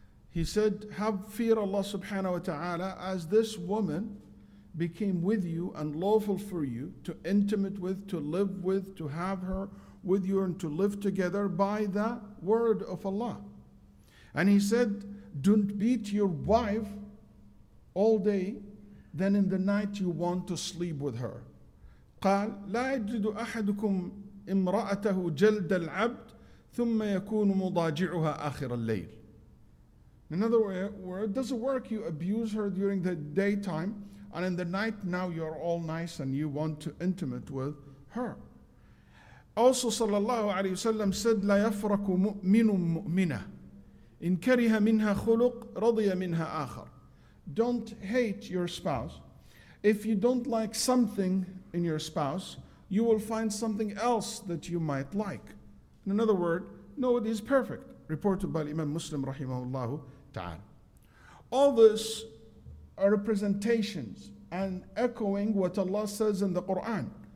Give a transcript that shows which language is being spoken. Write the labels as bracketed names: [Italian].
[English] He said, have fear Allah subhanahu wa ta'ala, as this woman became with you and lawful for you to intimate with, to live with, to have her with you and to live together by the word of Allah. And he said, don't beat your wife all day, then in the night you want to sleep with her. [Arabic] قال لا يجد أحدكم امرأته جلد العبد ثم يكون مضاجعها آخر الليل. [English] In other words, does it work? You abuse her during the daytime, and in the night now you are all nice and you want to intimate with her. Also, [Arabic] sallallahu alayhi wasallam [English] said, [Arabic] لا يفرق مؤمن مؤمنة إن كره منها خلق رضي منها آخر. [English] Don't hate your spouse. If you don't like something in your spouse, you will find something else that you might like. In other words, nobody is perfect. Reported by Imam Muslim rahimahullah ta'ala. All this are representations and echoing what Allah says in the Quran.